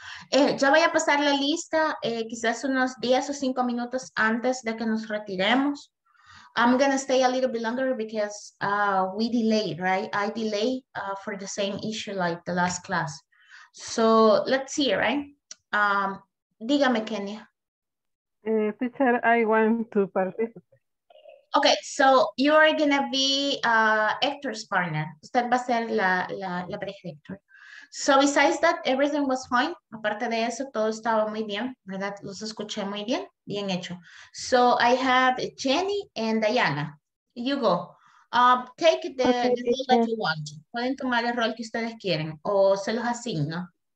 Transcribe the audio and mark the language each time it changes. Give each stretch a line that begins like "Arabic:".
Spanish: Yo voy a pasar la lista quizás unos 10 o 5 minutos antes de que nos retiremos.
English: I'm going to stay a little bit longer because we delay, right? I delay for the same issue like the last class. So let's see, right?
Spanish: Dígame, Kenia.
English: Teacher, I want to participate. Okay, so you are going to be Hector's partner.
Spanish: Usted va a ser la pareja de Hector.
English: So besides that, everything was fine.
Spanish: Aparte de eso, todo estaba muy bien, ¿verdad? Los escuché muy bien, bien hecho.
English: So I have Jenny and Diana. You go. Take the, okay, the role that you want.
Spanish: Pueden tomar el rol que ustedes quieren o se los asigno.